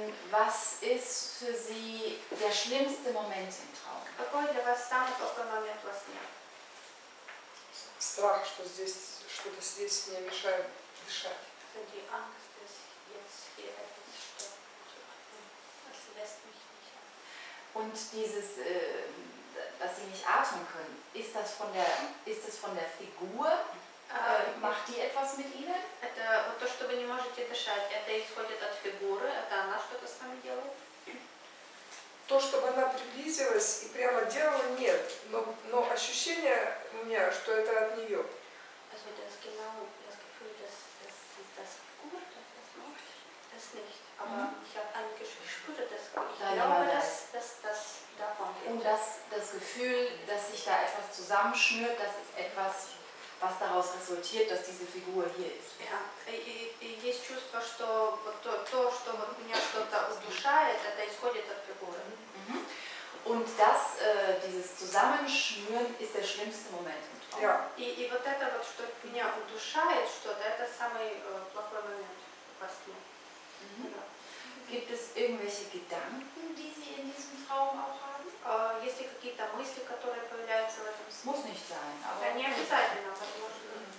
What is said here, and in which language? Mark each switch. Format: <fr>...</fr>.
<de>Was ist für Sie der schlimmste Moment im Traum?</de> <ru>Какой для вас самый плохой момент во сне? Страх, что здесь, что-то здесь мне мешает дышать. Это</ru> <de>Angst, dass jetzt hier etwas stört. Das lässt mich nicht. Und dieses, dass Sie nicht atmen können, ist das von der, ist das von der Figur? Macht die etwas mit Ihnen?</de> <ru>Это вот то, что вы не можете дышать, это исходит от фигуры, это она что-то с вами делает? То, чтобы она приблизилась и прямо делала, нет. Но ощущение у меня, что это от нее.</ru> <de>Also das genau, das Gefühl, dass das gut, das macht, das nicht. Aber ich habe eigentlich gespürt, dass ich glaube, dass das davon geht. Und das Gefühl, dass sich da etwas zusammenschnürt, das ist etwas, was daraus resultiert, dass diese Figur hier ist. Ja, und es gibt das Gefühl, dass mich etwas beschäftigt, das kommt von der Figur. Und das, dieses Zusammenschnüren, ist der schlimmste Moment im Traum. Ja.</de> <ru>Und вот это вот, что меня удушает что-то, это самый плохой момент во сне.</ru> <de>Gibt es irgendwelche Gedanken, die Sie in diesem Traum auch haben?</de> <ru>Есть ли какие-то мысли, которые появляются в этом сне?</ru> <de>Muss nicht sein, aber...</de> <ru>Да, не обязательно, возможно.</ru>